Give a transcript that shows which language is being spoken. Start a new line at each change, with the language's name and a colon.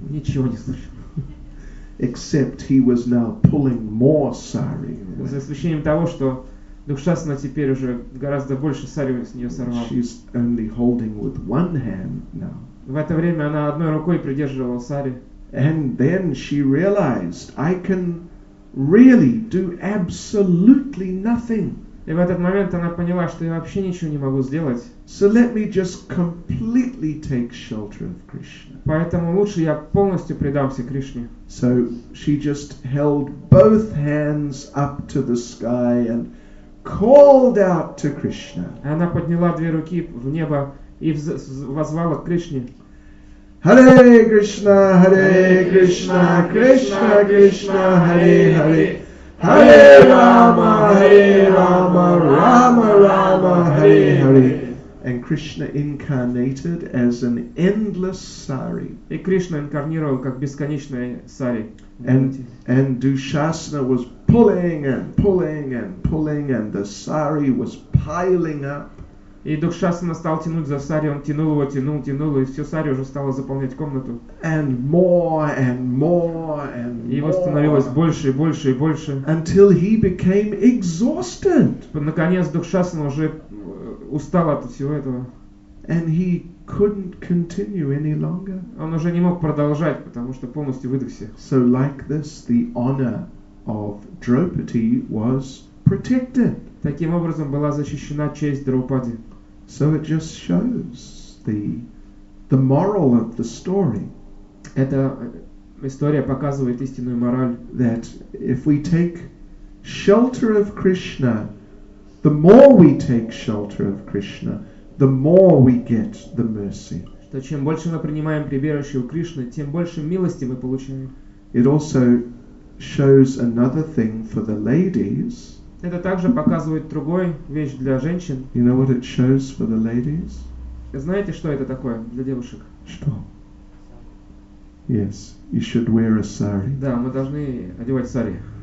Russian: Ничего не случилось.
English: Except he was now pulling more sari.
Russian: За исключением того, что Дукшасана теперь уже гораздо больше сари с нее сорвал.
English: She's only holding with one hand now.
Russian: В это время она одной рукой придерживала сари.
English: And then she realized, I can really do absolutely nothing.
Russian: И в этот момент она поняла, что я вообще ничего не могу сделать.
English: So let me just completely take shelter of Krishna.
Russian: Поэтому лучше я полностью предамся Кришне.
English: So she just held both hands up to the sky and called out to Krishna.
Russian: Она подняла две руки в небо и воззвала к Кришне.
Sanskrit: Hare Krishna, Hare Krishna, Krishna Krishna, Hare Hare. Hare Rama, Hare Rama, Rama Rama, Hare Hare.
English: And Krishna incarnated as an endless sari.
Russian: И Кришна инкарнировал как бесконечная сари.
English: And Dushasana was pulling and pulling and pulling, and the sari was piling up.
Russian: И Дукшасана стал тянуть за сари, он тянул его, тянул, тянул, и все сари уже стало заполнять комнату.
English: And more and more and more.
Russian: Его становилось больше и больше и больше.
English: Until he became exhausted.
Russian: Наконец Дукшасана уже устал от всего этого.
English: And he couldn't continue any longer.
Russian: Он уже не мог продолжать, потому что полностью выдохся.
English: So like this, the honor of Draupadi was protected.
Russian: Таким образом была защищена честь Драупади.
English: So it just shows the moral of the story.
Russian: Эта история показывает истинную мораль.
English: That if we take shelter of Krishna, the more we take shelter of Krishna, the more we get the mercy.
Russian: Что чем больше мы принимаем прибежище у Кришны, тем больше милости мы получаем.
English: It also shows another thing for the ladies.
Russian: Это также показывает другую вещь для женщин.
English: You know what it shows for the ladies?
Russian: Знаете, что это такое для девушек? Что?
English: Yes, you should wear a sari.
Russian: Да, мы должны одевать сари.